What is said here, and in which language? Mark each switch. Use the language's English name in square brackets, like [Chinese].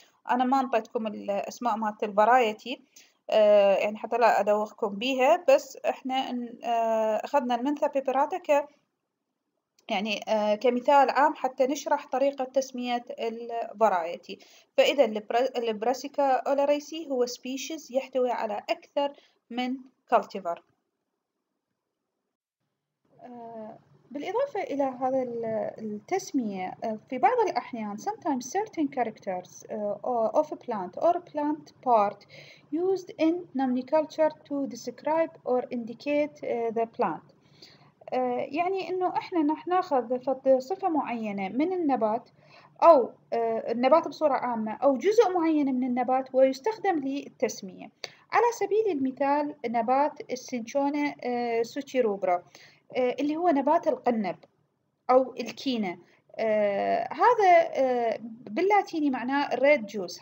[Arabic] انا ما انطيتكم الاسماء مالت الفرايتي يعني حتى لا ادوخكم بيها، بس احنا اخذنا المنثا بيبراتا ك يعني كمثال عام حتى نشرح طريقة تسمية الفرايتي. فاذا البراسيكا أولاريسي هو سبيشيز يحتوي على اكثر من كالتيفر. بالإضافة إلى هذا التسمية، في بعض الأحيان [English] sometimes certain characters of a plant or a plant part used in nomenclature to describe or indicate the plant. [Arabic] يعني إنه إحنا نأخذ صفة معينة من النبات أو النبات بصورة عامة أو جزء معين من النبات ويستخدم للتسمية. على سبيل المثال نبات السنشونة سوتيروبرا اللي هو نبات القنب أو الكينة، هذا باللاتيني معناه [English] red juice.